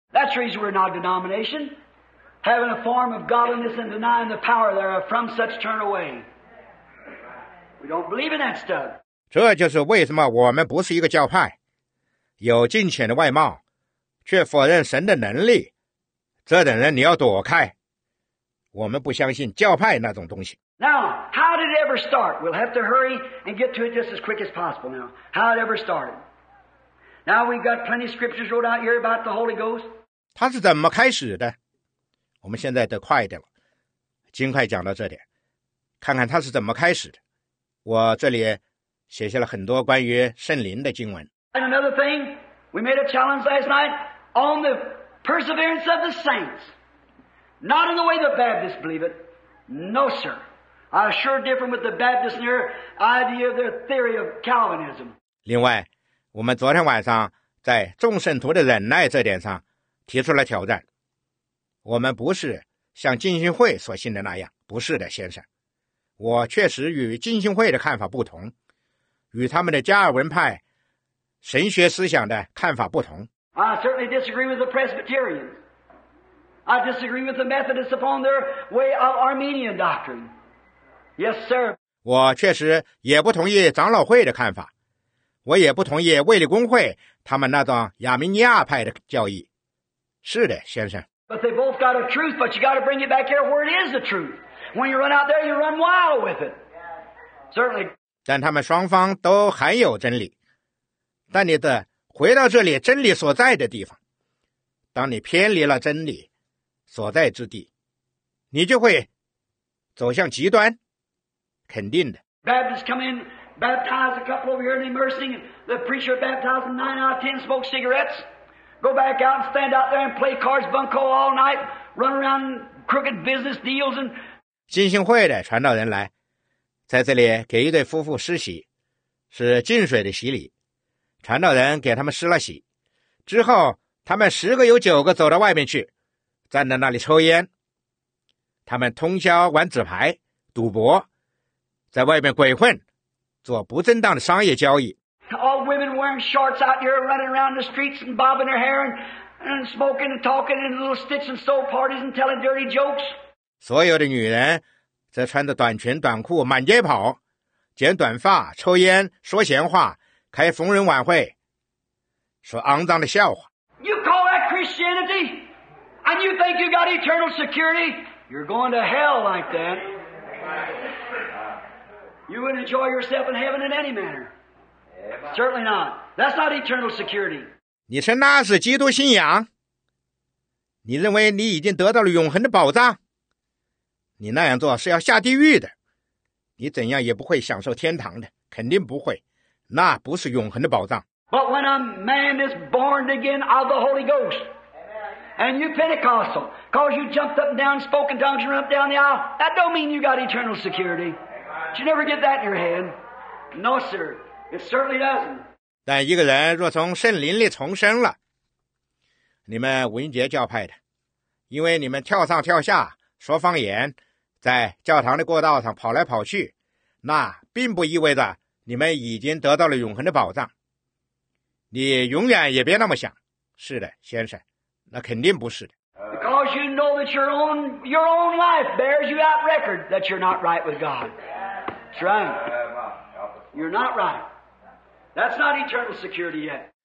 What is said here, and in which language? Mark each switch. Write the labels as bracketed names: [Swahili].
[English] That's the reason we're not denomination. Having a form of godliness and denying the power thereof, from such turn away. We don't believe in that stuff. [Chinese] 这就是为什么我们不是一个教派，有敬虔的外貌，却否认神的能力。这等人你要躲开。我们不相信教派那种东西。 [English] Now, how did it ever start? We'll have to hurry and get to it just as quick as possible now. How it ever started? Now we've got plenty of scriptures wrote out here about the Holy Ghost. [Chinese] 它是怎么开始的？我们现在得快一点了，尽快讲到这点，看看它是怎么开始的。我这里写下了很多关于圣灵的经文。 [English] And another thing, we made a challenge last night on the perseverance of the saints. Not in the way the Baptists believe it. No, sir. I'm sure different with the Baptists and their idea of their theory of Calvinism. [Chinese] 另外我们昨天晚上在众圣徒的忍耐这点上提出了挑战。我们不是像浸信会所信的那样，不是的，先生。我确实与浸信会的看法不同，与他们的加尔文派神学思想的看法不同。 [English] I certainly disagree with the Presbyterians. I disagree with the Methodists upon their way of Arminian doctrine. Yes, sir. [Chinese] 我确实也不同意长老会的看法。我也不同意卫理公会他们那种亚明尼亚派的教义。是的，先生。 [English] But they both got a truth, but you got to bring it back here where it is the truth. When you run out there, you run wild with it. Certainly. [Chinese] 但他们双方都含有真理。但你得回到这里真理所在的地方。当你偏离了真理所在之地，你就会走向极端。肯定的。 [English] Baptists come in. Baptized a couple over here in immersing, the preacher baptized them 9 out of 10, smoked cigarettes, go back out and stand out there and play cards, bunco all night, run around crooked business deals and. [Chinese] 浸信会的传道人来，在这里给一对夫妇施洗，是净水的洗礼。传道人给他们施了洗，之后他们十个有九个走到外面去，站在那里抽烟。他们通宵玩纸牌、赌博，在外面鬼混。做不正当的商业交易。 [English] All women wearing shorts out here, running around the streets and bobbing their hair and smoking and talking in little stitch and sew parties and telling dirty jokes. [Chinese] 所有的女人则穿着短裙短裤满街跑，剪短发，抽烟，说闲话，开逢人晚会，说肮脏的笑话。 [English] You call that Christianity? And you think you got eternal security? You're going to hell like that. You wouldn't enjoy yourself in heaven in any manner. Certainly not. That's not eternal security. [Chinese] 你说那是基督信仰？你认为你已经得到了永恒的宝藏？你那样做是要下地狱的。你怎样也不会享受天堂的，肯定不会。那不是永恒的宝藏。 [English] But when a man is born again of the Holy Ghost, and you Pentecostal, cause you jumped up and down, spoke in tongues, and run up down the aisle, that don't mean you got eternal security. You never get that in your head. No, sir. It certainly doesn't. [Chinese] 但一个人若从圣灵里重生了，你们文杰教派的，因为你们跳上跳下，说方言，在教堂的过道上跑来跑去，那并不意味着你们已经得到了永恒的宝藏。你永远也别那么想。是的，先生，那肯定不是的。 [English] Because you know that your own life bears you out record that you're not right with God. Right. You're not right. That's not eternal security yet.